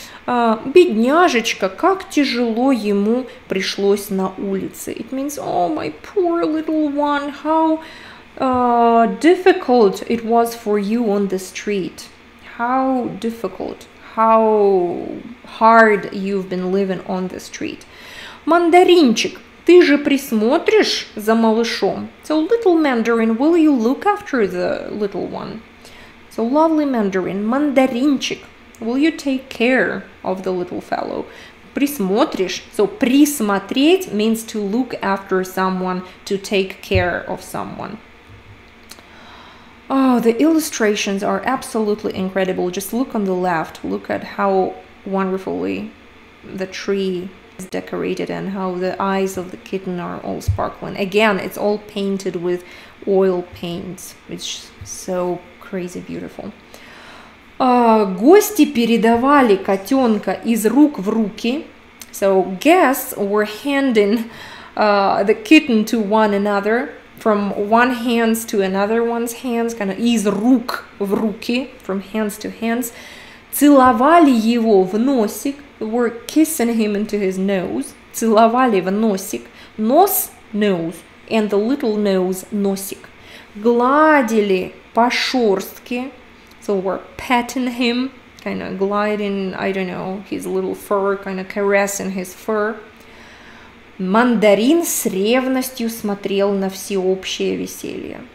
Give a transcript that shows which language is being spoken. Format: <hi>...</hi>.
<ru>Бедняжечка, как тяжело ему пришлось на улице.</ru> <en>It means, oh, my poor little one, how difficult it was for you on the street. How difficult. How hard you've been living on the street.</en> <ru>Мандаринчик, ты же присмотришь за малышом?</ru> <en>So, little Mandarin, will you look after the little one? So, lovely Mandarin, мандаринчик, will you take care of the little fellow? Присмотришь, so, присмотреть means to look after someone, to take care of someone. Oh, the illustrations are absolutely incredible. Just look on the left. Look at how wonderfully the tree is decorated and how the eyes of the kitten are all sparkling. Again, it's all painted with oil paints. It's so crazy beautiful.</en> <ru>Гости передавали котенка из рук в руки.</ru> <en>So guests were handing the kitten to one another. From one hands to another one's hands, kind of</en> <ru>из рук в руки,</ru> <en>from hands to hands.</en> <ru>Целовали его в носик,</ru> <en>were kissing him into his nose.</en> <ru>Целовали в носик, нос, nose,</ru> <en>and the little nose, носик.</en> <ru>Гладили по шорстке,</ru> <en>so were patting him, kind of gliding, I don't know, his little fur, kind of caressing his fur.</en> <ru>Мандарин с ревностью смотрел на всеобщее веселье.</ru>